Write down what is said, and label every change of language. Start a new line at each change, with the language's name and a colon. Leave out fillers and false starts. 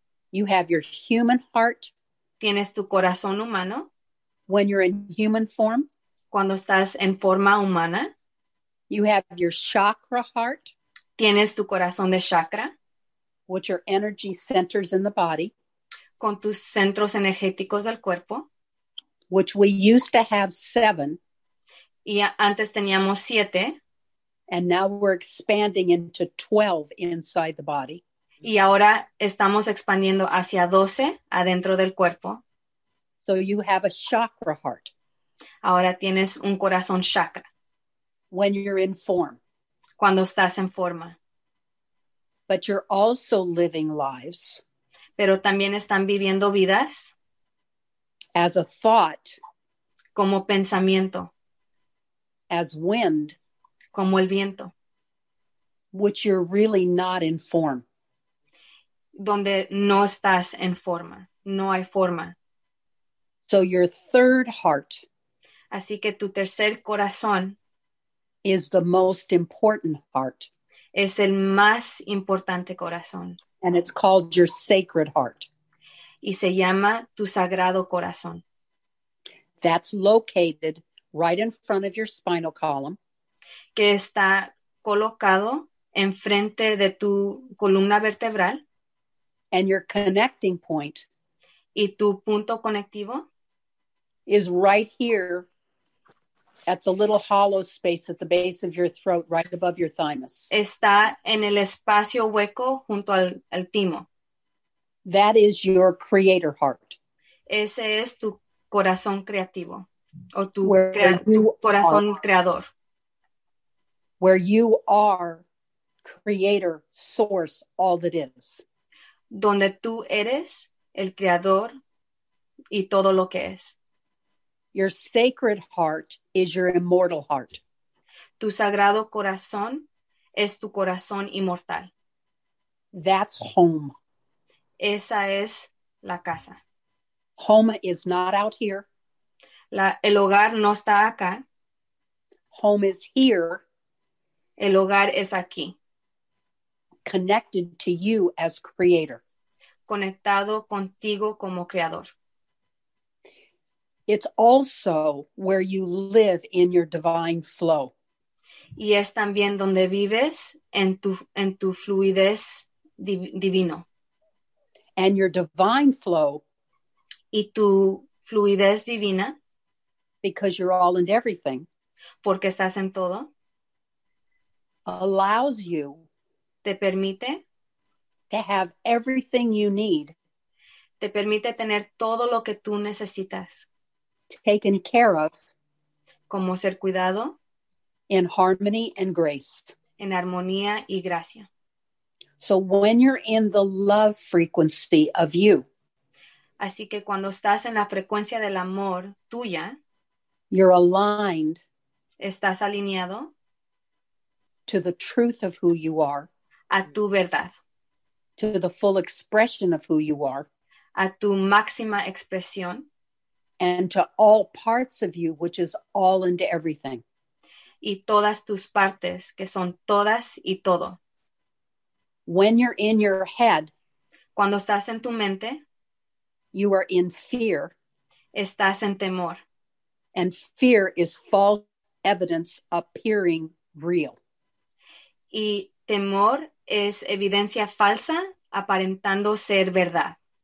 English: You have your human heart.
Spanish: Tienes tu corazón humano.
English: When you're in human form.
Spanish: Cuando estás en forma humana.
English: You have your chakra heart.
Spanish: Tienes tu corazón de chakra.
English: which are energy centers in the body.
Spanish: Con tus centros energéticos del cuerpo.
English: Which we used to have 7.
Spanish: Y antes teníamos 7.
English: And now we're expanding into 12 inside the body.
Spanish: Y ahora estamos expandiendo hacia 12 adentro del cuerpo.
English: So you have a chakra heart.
Spanish: Ahora tienes un corazón chakra.
English: When you're in form.
Spanish: Cuando estás en forma.
English: But you're also living lives.
Spanish: Pero también están viviendo vidas.
English: As a thought.
Spanish: Como pensamiento.
English: As wind.
Spanish: Como el viento.
English: Which you're really not in form.
Spanish: Donde no estás en forma. No hay forma.
English: So your third heart.
Spanish: Así que tu tercer corazón.
English: Is the most important heart.
Spanish: Es el más importante corazón.
English: And it's called your sacred heart.
Spanish: Y se llama tu sagrado corazón.
English: That's located right in front of your spinal column.
Spanish: Que está colocado enfrente de tu columna vertebral.
English: And your connecting point.
Spanish: Y tu punto conectivo.
English: Is right here. At the little hollow space at the base of your throat, right above your thymus.
Spanish: Está en el espacio hueco junto al timo.
English: That is your creator heart.
Spanish: Ese es tu corazón creativo. O tu, tu corazón creador.
English: Where you are creator, source, all that is.
Spanish: Donde tú eres el creador y todo lo que es.
English: Your sacred heart is your immortal heart.
Spanish: Tu sagrado corazón es tu corazón inmortal.
English: That's home.
Spanish: Esa es la casa.
English: Home is not out here.
Spanish: El hogar no está acá.
English: Home is here.
Spanish: El hogar es aquí.
English: Connected to you as creator.
Spanish: Conectado contigo como creador.
English: It's also where you live in your divine flow.
Spanish: Y es también donde vives en tu fluidez divino.
English: And your divine flow.
Spanish: Y tu fluidez divina.
English: Because you're all and everything.
Spanish: Porque estás en todo.
English: Allows you.
Spanish: Te permite.
English: To have everything you need.
Spanish: Te permite tener todo lo que tú necesitas.
English: Taken care of.
Spanish: Como ser cuidado.
English: In harmony and grace.
Spanish: En armonía y gracia.
English: So when you're in the love frequency of you.
Spanish: Así que cuando estás en la frecuencia del amor tuya.
English: You're aligned.
Spanish: Estás alineado.
English: To the truth of who you are.
Spanish: A tu verdad.
English: To the full expression of who you are.
Spanish: A tu máxima expresión.
English: And to all parts of you, which is all and everything.
Spanish: Y todas tus partes, que son todas y todo.
English: When you're in your head.
Spanish: Cuando estás en tu mente.
English: You are in fear.
Spanish: Estás en temor.
English: And fear is false evidence appearing real.
Spanish: Y temor es evidencia falsa aparentando ser verdad.